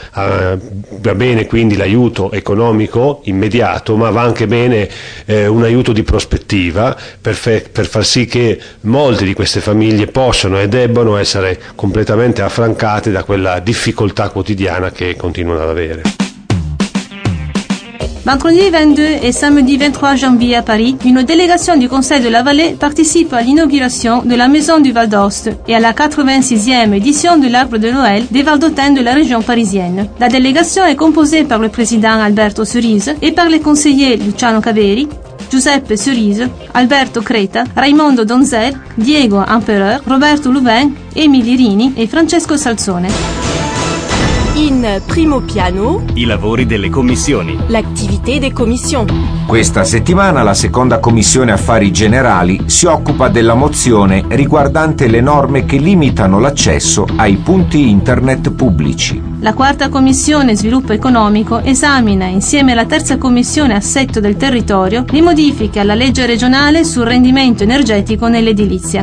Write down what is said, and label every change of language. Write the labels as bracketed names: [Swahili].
[Italian] Va bene quindi l'aiuto economico immediato, ma va anche bene un aiuto di prospettiva per far sì che molte di queste famiglie possano e debbano essere completamente affrancate da quella difficoltà quotidiana che continuano ad avere. [French] Mercredi 22 et samedi 23 janvier à Paris, une délégation du Conseil de la Vallée participe à l'inauguration de la Maison du Val d'Aoste et à la 86e édition de l'Arbre de Noël des Valdotins de la région parisienne. La délégation est composée par le président Alberto Cerise et par les conseillers Luciano Caveri, Giuseppe Cerise, Alberto Creta, Raimondo Donzel, Diego Empereur, Roberto Louvain, Emily Rini e Francesco Salzone. [Italian] In primo piano, i lavori delle commissioni. L'attività delle commissioni. Questa settimana la seconda commissione affari generali si occupa della mozione riguardante le norme che limitano l'accesso ai punti internet pubblici. La quarta commissione sviluppo economico esamina insieme alla terza commissione assetto del territorio le modifiche alla legge regionale sul rendimento energetico nell'edilizia.